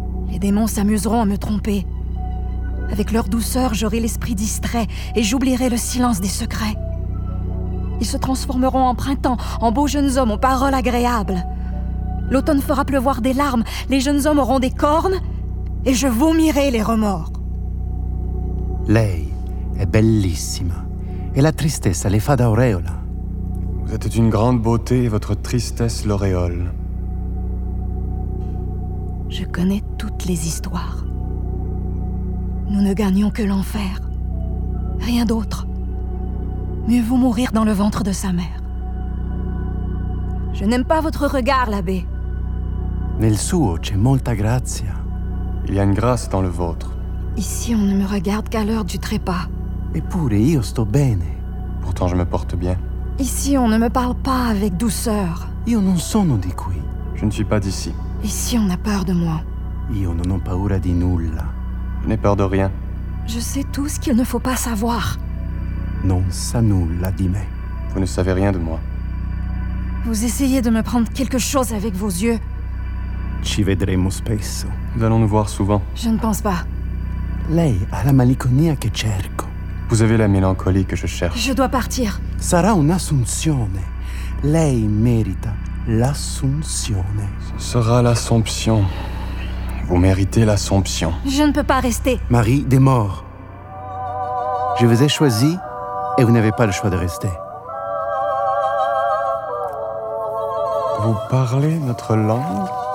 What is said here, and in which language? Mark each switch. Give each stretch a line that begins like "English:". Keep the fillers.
French: Les démons s'amuseront à me tromper. Avec leur douceur, j'aurai l'esprit distrait et j'oublierai le silence des secrets. Ils se transformeront en printemps, en beaux jeunes hommes aux paroles agréables. L'automne fera pleuvoir des larmes, les jeunes hommes auront des cornes et je vomirai les remords.
Italian: Lei è bellissima e la tristezza le fa da aureola.
French: Vous êtes une grande beauté et votre tristesse l'auréole. Je connais toutes les histoires. Nous ne gagnons que l'enfer. Rien d'autre. Mieux vaut mourir dans le ventre de sa mère. Je n'aime pas votre regard, l'abbé.
Italian: Nel suo c'è molta grazia.
French: Il y a une grâce dans le vôtre. Ici, on ne me regarde qu'à l'heure du trépas.
Italian: Eppure io sto bene.
French: Pourtant, je me porte bien. Ici, on ne me parle pas avec douceur.
Italian: Io non sono di qui.
French: Je ne suis pas d'ici. Ici, on a peur de moi.
Italian: Io non ho paura di nulla.
French: Je n'ai peur de rien. Je sais tout ce qu'il ne faut pas savoir.
Italian: Non sa nulla di me.
French: Vous ne savez rien de moi. Vous essayez de me prendre quelque chose avec vos yeux.
Italian: Ci vedremo spesso.
French: Nous allons nous voir souvent. Je ne pense pas.
Italian: Lei ha la malinconia che cerco.
French: Vous avez la mélancolie que je cherche. Je dois partir.
Italian: Sarà un'assunzione. Lei merita l'assunzione.
French: Sera l'Assomption. Vous méritez l'Assomption. Je ne peux pas rester. Marie des morts. Je vous ai choisi et vous n'avez pas le choix de rester. Vous parlez notre langue